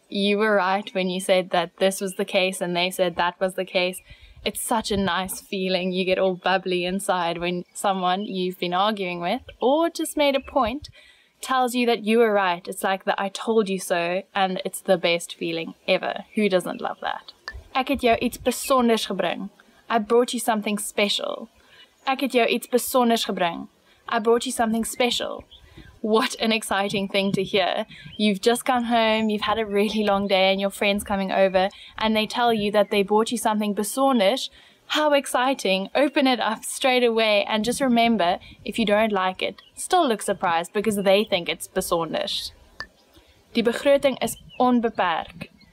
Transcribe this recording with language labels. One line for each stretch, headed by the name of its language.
English: You were right when you said that this was the case and they said that was the case. It's such a nice feeling. You get all bubbly inside when someone you've been arguing with or just made a point tells you that you were right. It's like the I told you so, and it's the best feeling ever. Who doesn't love that?
Afrikaans: Ek het jou iets besonders gebring.
English: I brought you something special.
Afrikaans: Ek het jou iets besonders gebring.
English: I brought you something special. What an exciting thing to hear. You've just come home, you've had a really long day, and your friend's coming over, and they tell you that they bought you something besonders. How exciting. Open it up straight away, and just remember, if you don't like it, still look surprised, because they think it's besonders.
Afrikaans: Die begroting is onbeperk.